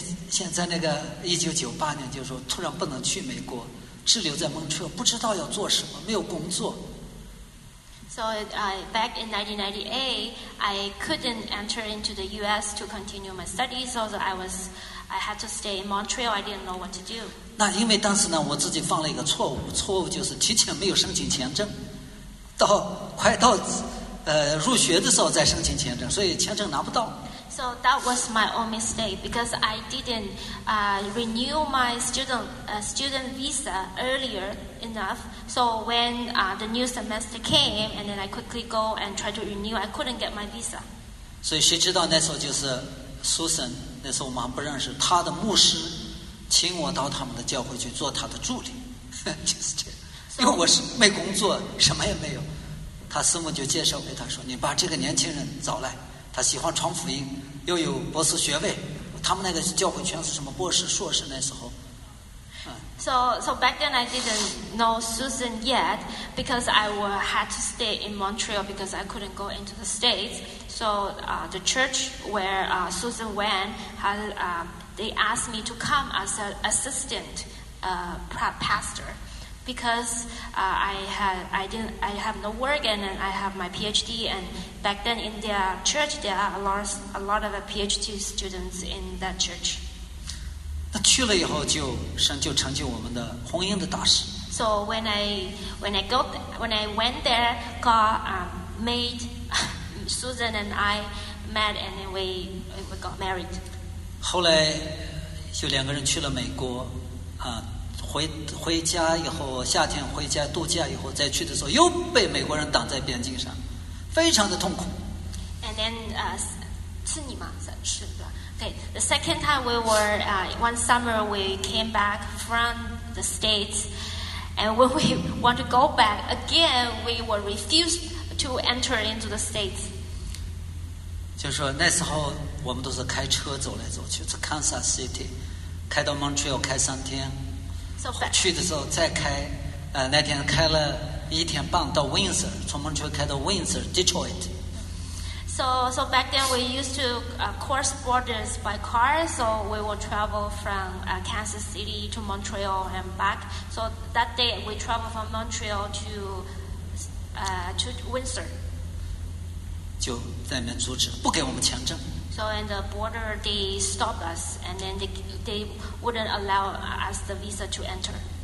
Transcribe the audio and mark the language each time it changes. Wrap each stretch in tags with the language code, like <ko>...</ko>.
<zh>现在那个1998年，就是说突然不能去美国，滞留在蒙特利尔，不知道要做什么，没有工作。</zh> <en>So back in 1998, I couldn't enter into the U.S. to continue my studies, so I had to stay in Montreal. I didn't know what to do.</en> <zh>那因为当时呢，我自己犯了一个错误，错误就是提前没有申请签证，到快到入学的时候再申请签证，所以签证拿不到。</zh> <en>So that was my own mistake because I didn't renew my student visa earlier enough. So when the new semester came and then I quickly go and try to renew, I couldn't get my visa.</en> <zh>所以谁知道那时候就是 Susan, 那时候我们还不认识，她的牧师请我到他们的教会去做他的助理，就是这样。因为我是没工作，什么也没有，他师母就介绍给他说，你把这个年轻人找来，他喜欢传福音，又有博士学位，他们那个教会全是什么博士硕士那时候。</zh> <en>So back then I didn't know Susan yet because I had to stay in Montreal because I couldn't go into the States. So the church where Susan went had they asked me to come as an assistant pastor because I have no work and then I have my PhD. And back then in their church there are a lot of PhD students in that church.</en> <zh>那去了以后就神就成就我们的婚姻的大事。</zh> <en>So when I went there God made Susan and I met and then we got married.</en> <zh>后来就两个人去了美国啊，回家以后，夏天回家度假以后，再去的时候又被美国人挡在边境上，非常的痛苦。</zh> <en>And then</en> <zh>是你吗？是的。</zh> <en>Okay, the second time we were, one summer we came back from the States, and when we want to go back again, we were refused to enter into the States.</en> <zh>就是说那时候我们都是开车走来走去，是 Kansas City, 开到 Montreal 开三天。</zh> <en>So back.</en> <zh>去的时候再开，那天开了一天半到 Windsor, 从 Montreal 开到 Windsor, Detroit.</zh> <en>So back then we used to cross borders by car, so we would travel from Kansas City to Montreal and back. So that day we traveled from Montreal to Windsor.</en> <zh>就在那边阻止，不给我们签证。</zh> <en>So in the border they stopped us, and then they wouldn't allow us the visa to enter.</en>